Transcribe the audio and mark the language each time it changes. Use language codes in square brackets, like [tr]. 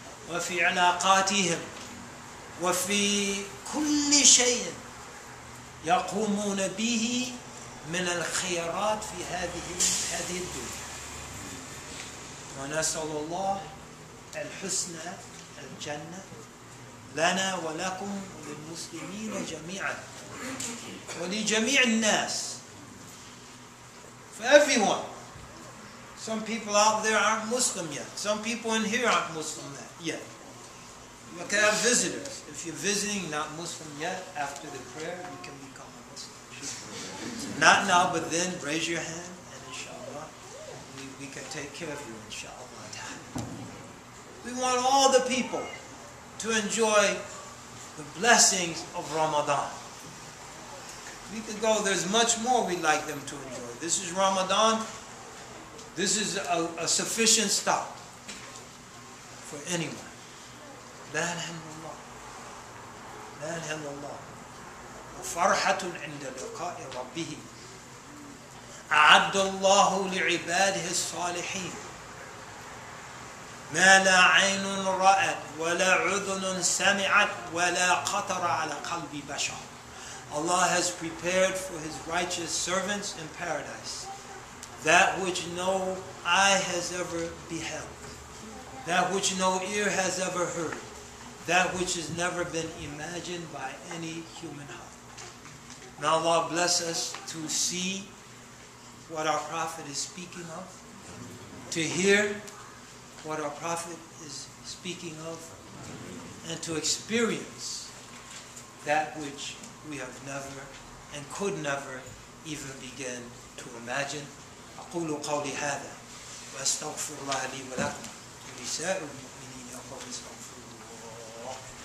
[ar] وفي علاقاتهم وفي كل شيء يقومون به من الخيرات في هذه الدنيا. ونسأل الله الحسنى الجنة لنا ولكم وللمسلمين جميعا ولجميع الناس. [en] For everyone. Some people out there aren't Muslim yet. Some people in here aren't Muslim yet. You can have visitors. If you're visiting, not Muslim yet, after the prayer, you can become a Muslim. Not now, but then, raise your hand, and inshallah, we can take care of you, inshallah. We want all the people to enjoy the blessings of Ramadan. We could go, there's much more we'd like them to enjoy. This is Ramadan. This is a sufficient stop for anyone. [ar] لا إله إلا الله. لا إله إلا الله. وفرحة عند لقاء ربه. أعد الله لعباده الصالحين. ما لا عين رأت ولا أذن سمعت ولا قطر على قلب بشر. [en] Allah has prepared for His righteous servants in paradise that which no eye has ever beheld, that which no ear has ever heard, that which has never been imagined by any human heart. May Allah bless us to see what our Prophet is speaking of, to hear what our Prophet is speaking of, and to experience that which we have never and could never even begin to imagine. [ar] أقول قولي هذا وأستغفر الله لي ولكم ولنساء المؤمنين يقول استغفر الله.